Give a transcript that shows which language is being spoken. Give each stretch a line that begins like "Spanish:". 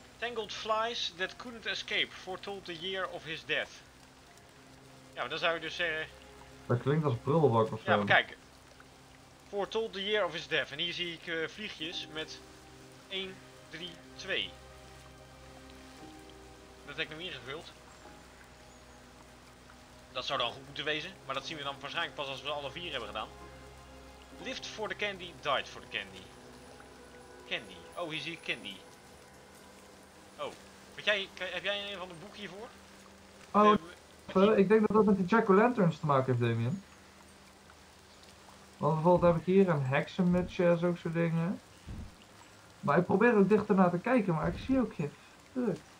English: Tangled flies that couldn't escape foretold the year of his death.
Dutch: Ja, maar dan zou je dus zeggen... Dat klinkt als prullenbak of zo. Ja, maar kijk.
English: Foretold the year of his death.
Dutch: En hier zie ik vliegjes met 1, 3, 2. Dat heb ik nog ingevuld. Dat zou dan goed moeten wezen. Maar dat zien we dan waarschijnlijk pas als we alle 4 hebben gedaan.
English: Lived for the candy, died for the candy.
Dutch: Candy. Oh, hier zie ik candy. Oh. Heb jij een van de boeken hiervoor? Oh. Ik denk dat dat met die jack-o'-lanterns te maken heeft, Damien. Want bijvoorbeeld heb ik hier een heksenmutsje en zo'n soort dingen. Maar ik probeer ook dichter naar te kijken, maar ik zie ook geen fuck.